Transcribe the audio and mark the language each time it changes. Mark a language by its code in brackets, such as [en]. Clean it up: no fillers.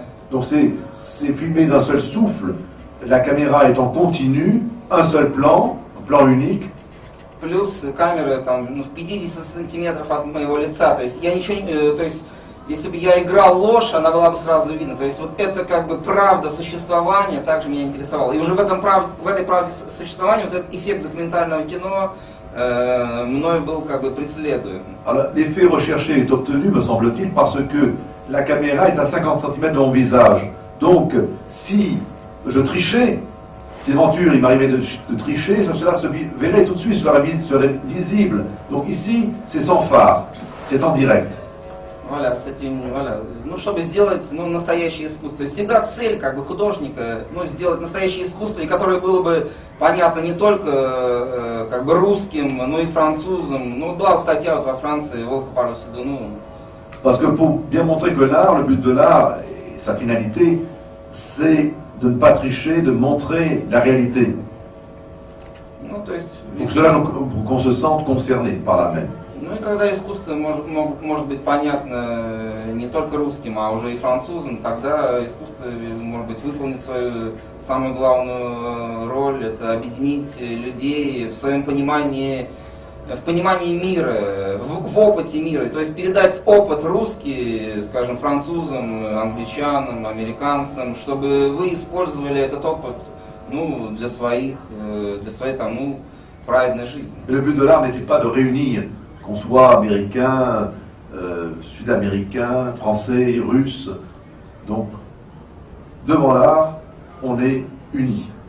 [fr] Donc c'est filmé d'un seul souffle, la caméra est en continu, un seul plan, un plan unique. Plus la caméra est en 50 cm de mon visage. [ru] Если бы я играл ложь, она была бы сразу видна. То есть вот это как бы правда существования также меня интересовало. И уже в этой правде существования вот этот эффект документального кино мною был как бы преследуем. [fr] Alors, l'effet recherché est obtenu, me semble-t-il, parce que la caméra est à 50 cm de mon visage. Donc, si je trichais, ces ventures, il m'arrivait de tricher, cela se verrait tout de suite, serait visible. Donc ici, c'est sans phare, c'est en direct. Voilà, c'est une, voilà. [ru] Ну, чтобы сделать настоящее искусство. То есть всегда цель как бы художника, ну, сделать настоящее искусство, и которое было бы понятно не только как бы русским, но и французам. Ну, была статья вот во Франции, Волк Парус Седу, ну. [fr] Parce que pour bien montrer que l'art, le but de l'art, et sa finalité, c'est de ne pas tricher, de montrer la réalité. [ru] Ну, то есть. [fr] Pour qu'on se sente concerné par la même. [ru] Ну и когда искусство может быть понятно не только русским, а уже и французам, тогда искусство может быть выполнить свою самую главную роль, это объединить людей в своем понимании в понимании мира, в опыте мира, то есть передать опыт русский, скажем, французам, англичанам, американцам, чтобы вы использовали этот опыт, ну, для своих, для своей там, ну, праведной жизни. [fr] Le but de l'art n'était pas de réunir, qu'on soit américain, sud-américain, français, russe. Donc, devant l'art, on est unis.